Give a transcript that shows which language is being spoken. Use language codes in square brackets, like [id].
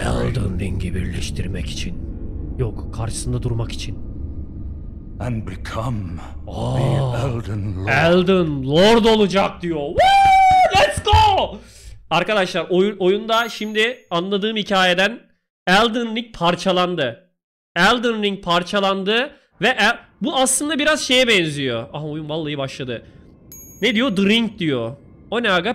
[tr] Elden Ring'i birleştirmek için. Yok, karşısında durmak için. [en] And become the Elden Lord. [tr] Elden Lord olacak diyor. Woo! [en] Let's go! [tr] Arkadaşlar, oyunda şimdi anladığım hikayeden Elden Ring parçalandı. Elden Ring parçalandı ve bu aslında biraz şeye benziyor. Aha, oyun vallahi başladı. Ne diyor? The Ring diyor. O ne aga?